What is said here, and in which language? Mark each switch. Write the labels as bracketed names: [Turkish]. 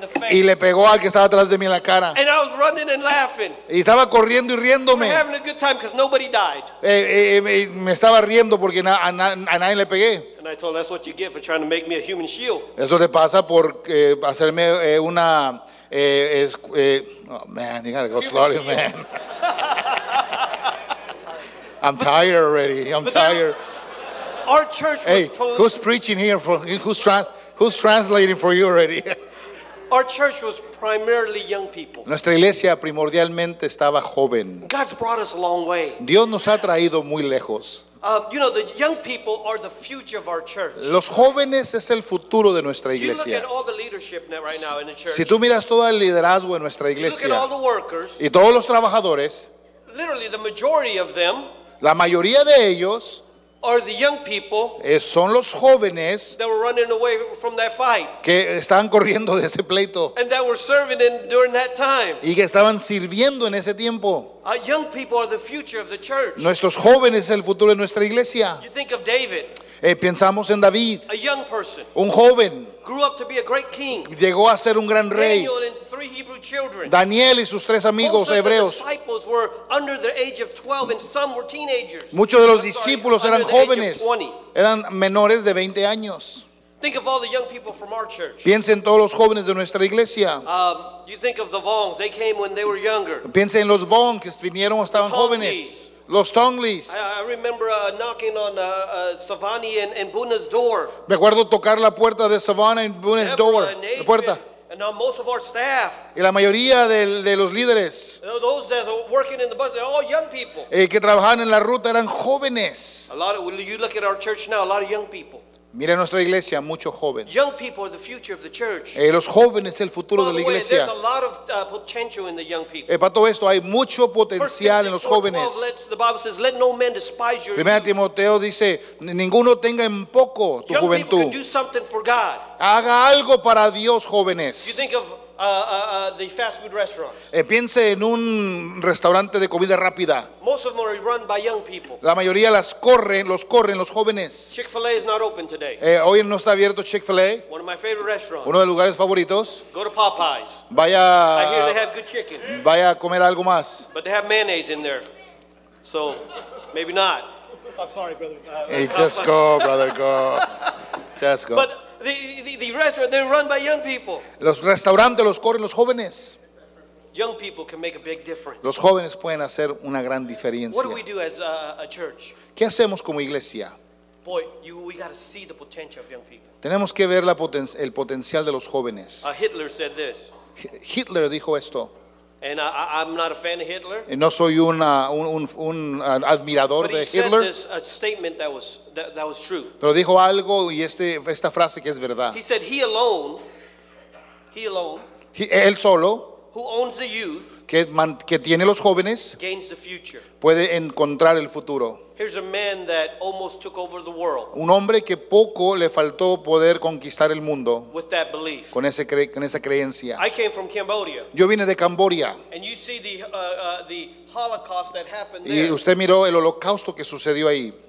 [Spanish] Y le pegó al que estaba atrás de mí en la cara. [English] And I was running and laughing. [Spanish] Y estaba corriendo y riéndome. [English] We're having a good time because nobody died. [Spanish] Me estaba riendo porque a nadie le pegué. [English] And I told him, that's what you get for trying to make me a human shield. [Spanish] Eso te pasa por hacerme una. [English] Oh man, you gotta go slowly, man. I'm tired already. I'm tired. Our church. Hey, who's preaching here? Who's translating for you already? Our church was primarily young people. [Spanish] Nuestra iglesia primordialmente estaba joven. [English] God's brought us a long way. [Spanish] Dios nos ha traído muy lejos. [English] You know, the young people are the future of our church. [Spanish] Los jóvenes es el futuro de nuestra iglesia. [English] You look at all the leadership right now in the church. [Spanish] Si tú miras todo el liderazgo en nuestra iglesia, [English] you look at all the workers, [Spanish] y todos los trabajadores, [English] literally the majority of them, [Spanish] la mayoría de ellos, [English] are the young people, [Spanish] son los jóvenes, [English] that were running away from that fight, [Spanish] que estaban corriendo de ese pleito, [English] and that were serving in during that time, [Spanish] y que estaban sirviendo en ese tiempo. [English] Young people are the future of the church. [Spanish] Nuestros jóvenes es el futuro de nuestra iglesia. [English] You think of David. [Spanish] Pensamos en David. [English] A young person. [Spanish] Un joven. [English] Grew up to be a great king. [Spanish] Llegó a ser un gran rey. [English] Daniel and three Hebrew children. [Spanish] Daniel y sus tres amigos hebreos. [English] Most of the disciples were under the age of 12 and some were teenagers. [Spanish] Muchos de los discípulos eran jóvenes. Eran menores de 20 años. [English] Think of all the young people from our church. [Spanish] Piensa en todos los jóvenes de nuestra iglesia. [English] You think of the Vongs. They came when they were younger. [Spanish] Piensa en los Vongs que vinieron o estaban jóvenes. Los Tongleys. [English] I remember knocking on Savani and Buna's door. [Spanish] Me acuerdo tocar la puerta de Savani [English] and Buna's door. [Spanish] Deborah, la puerta. [English] And on most of our staff. [Spanish] Y la mayoría de los líderes. [English] Those that are working in the bus, they're all young people. [Spanish] Que trabajaban en la ruta eran jóvenes. [English] A lot of, you look at our church now, a lot of young people. [Spanish] Mira nuestra iglesia, muchos jóvenes. [English] Young people are the future of the church. [Spanish] Los jóvenes el futuro de la iglesia. [English] By the way, there's a lot of potential in the young people. [Spanish] Para todo esto hay mucho potencial en los jóvenes. [English] The Bible says, "Let no man despise your." [Spanish] Primera Timoteo dice, ninguno tenga en poco tu juventud. [English] Young people can do something for God. [Spanish] Haga algo para Dios, jóvenes. [English] You think of the fast food restaurants. [Spanish] Piense en un restaurante de comida rápida. [English] Most of them are run by young people. [Spanish] La mayoría las corren, los corren los jóvenes. [English] Chick-fil-A is not open today. [Spanish] Hoy no está abierto Chick-fil-A. [English] One of my favorite restaurants. [Spanish] Uno de los lugares favoritos. [English] Go to Popeyes. [Spanish] Vaya. [English] I hear they have good chicken. [Spanish] Vaya a comer algo más. [English] But they have mayonnaise in there, so maybe not. I'm sorry, brother. Just go, brother. Go. Just go. But the restaurant, they're run by young people. [Spanish] Los restaurantes los corren los jóvenes. [English] Young people can make a big difference. [Spanish] Los jóvenes pueden hacer una gran diferencia. [English] What do we do as a church? [Spanish] ¿Qué hacemos como iglesia? [English] Boy, we got to see the potential of young people. [Spanish] Tenemos que ver el potencial de los jóvenes. [English] Hitler said this. [Spanish] Hitler dijo esto. [English] And I'm not a fan of Hitler. [Spanish] Y no soy un admirador de Hitler. [English] But he said this statement that was true. [Spanish] Pero dijo algo y esta frase que es verdad. [English] He said he alone. [Spanish] Él solo. [English] Who owns the youth? [Spanish] Que tiene los jóvenes. [English] Gains the future. [Spanish] Puede encontrar el futuro. [English] Here's a man that almost took over the world. [Spanish] Un hombre que poco le faltó poder conquistar el mundo. [English] With that belief. [Spanish] Con esa creencia. [English] I came from Cambodia. [Spanish] Yo vine de Cambodia. [English] And you see the Holocaust that happened there. [Spanish] Y usted miró el holocausto que sucedió ahí.